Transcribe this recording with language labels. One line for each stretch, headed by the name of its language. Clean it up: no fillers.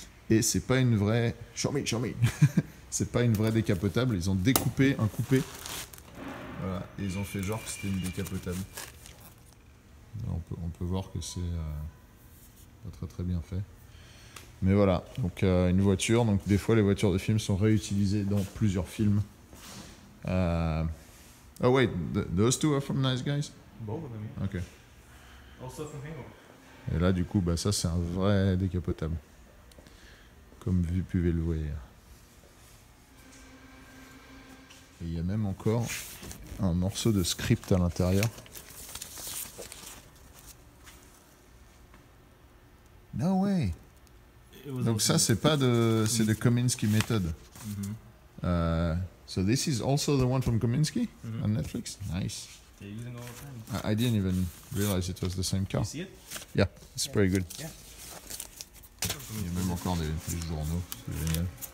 French: Et c'est pas une vraie...
English: Show me.
French: C'est pas une vraie décapotable, ils ont découpé un coupé. Voilà, et ils ont fait genre que c'était une décapotable. On peut voir que c'est pas très très bien fait. Mais voilà, donc une voiture. Donc des fois les voitures de films sont réutilisées dans plusieurs films.
English: Oh wait, those two are from Nice Guys? Both of them, yeah. Okay. Also from Hangover.
French: Et là du coup, bah, ça c'est un vrai décapotable. Comme vous pouvez le voir. Et il y a même encore un morceau de script à l'intérieur.
English: No way!
French: Donc ça, c'est pas de... C'est de Kominsky Method. Mm-hmm.
English: So this is also the one from Kominsky? Mm-hmm. On Netflix? Nice. They're using all the time. I didn't even realize it was the same car. You see it? Yeah, it's yeah. Pretty good. Yeah.
French: Il y a même encore des journaux, c'est génial.